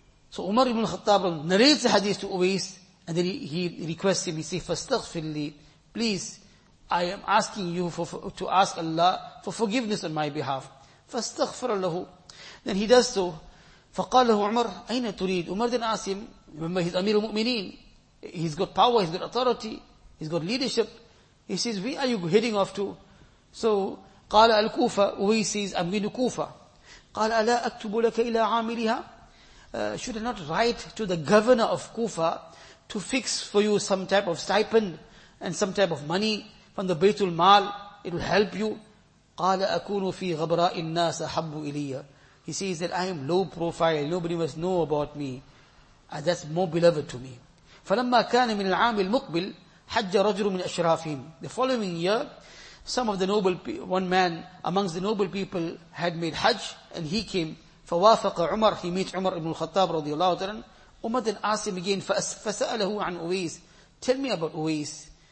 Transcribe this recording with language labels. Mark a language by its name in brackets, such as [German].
[English] So Umar ibn Khattab narrates the hadith to Uwais, and then he requests him, he says, [Arabic] fastaghfir li, [English] please, I am asking you to ask Allah for forgiveness on my behalf. [Arabic] Fastaghfir lahu. [English] Then he does so. [Arabic] Faqalahu Umar, aina turid? [English] Umar then asks him, remember he's Amir al-Mu'mineen, he's got power, he's got authority, he's got leadership. He says, where are you heading off to? So, [Arabic] قال الكوفة, [English] he says, I'm going to Kufa. [Arabic] قال ألا أكتب لك إلى عاملها? [English] Should I not write to the governor of Kufa to fix for you some type of stipend and some type of money from the Baytul Mal? It will help you. [Arabic] قال أكون في غبراء الناس أحب إلي. [English] He says that I am low profile, nobody must know about me. That's more beloved to me. [Arabic] فلما كان من العام المقبل حج رجل من أشرافهم. [English] The following year, some of the noble people, one man amongst the noble people had made Hajj, and he came. [Arabic] فوافق عمر, [English] he meets عمر ibn al-Khattab رضي الله تعالى. Umar then asked him again, [Arabic] فسأله عن أويس. [English] Tell me about أويس.